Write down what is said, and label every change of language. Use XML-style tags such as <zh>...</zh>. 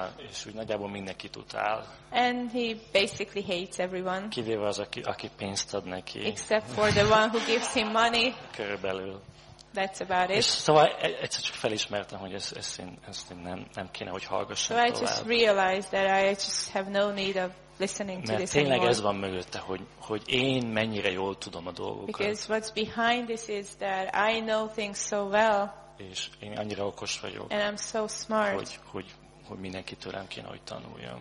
<hu>És úgy nagyjából mindenkit utál.</hu> <en>And he basically hates everyone.</en> <hu>Kivéve az, aki pénzt ad neki.</hu> <en>Except for the one who gives him money.</en> <hu>Körülbelül.</hu> <en>That's about it.</en> <hu>És szóval egyszer csak felismertem, hogy ezt én nem kéne, hogy hallgassam</hu> <en>tovább. So I just realized that I just have no need of listening to this</en> <hu>tényleg</hu> <en>anymore.</en> <hu>Ez van mögötte, hogy én mennyire jól tudom a dolgokat.</hu> <en>Because what's behind this is that I know things so well.</en> <hu>És én annyira okos vagyok.</hu> <en>And I'm so smart.</en> <hu>Hogy mindenki tőlem kéne, hogy tanuljon.</hu>